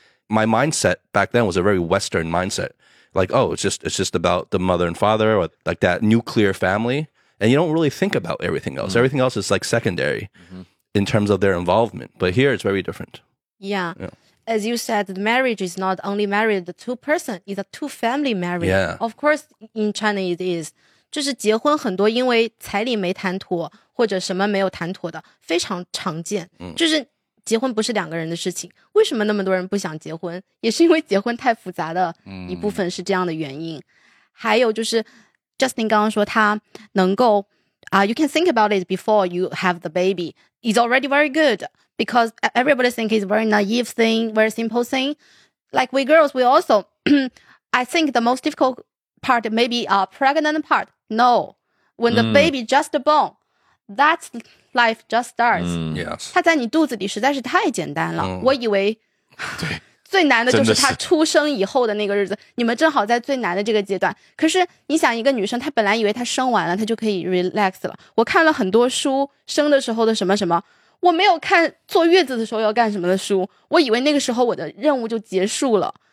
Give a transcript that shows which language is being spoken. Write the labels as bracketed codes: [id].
[en] My mindset back then was a very Western mindset. Like, oh, it's just about the mother and father or like that nuclear family. And you don't really think about everything else. Mm-hmm. Everything else is like secondary in terms of their involvement. But here it's very different. Yeah. As you said, the marriage is not only married, the two person is a two family marriage. Yeah. Of course, in China it is. [zh] 就是结婚很多因为彩礼没谈妥或者什么没有谈妥的非常常见。就是结婚不是两个人的事情。为什么那么多人不想结婚？也是因为结婚太复杂的一部分是这样的原因。还有就是 [en] Justin [zh] 刚刚说他能够 [en] you can think about it before you have the baby. It's already very good. Because everybody thinks it's a very naive thing, very simple thing. Like we girls, we also, I think the most difficult part may be a pregnant part. No. When the baby just born, that's life just starts. Yes. [zh] 它在你肚子里实在是太简单了。我以为对最难的就是它出生以后的那个日子。你们正好在最难的这个阶段。可是你想一个女生她本来以为她生完了她就可以 relax 了。我看了很多书生的时候的什么什么。我没有看坐月子的时候要干什么的书，我以为那个时候我的任务就结束了。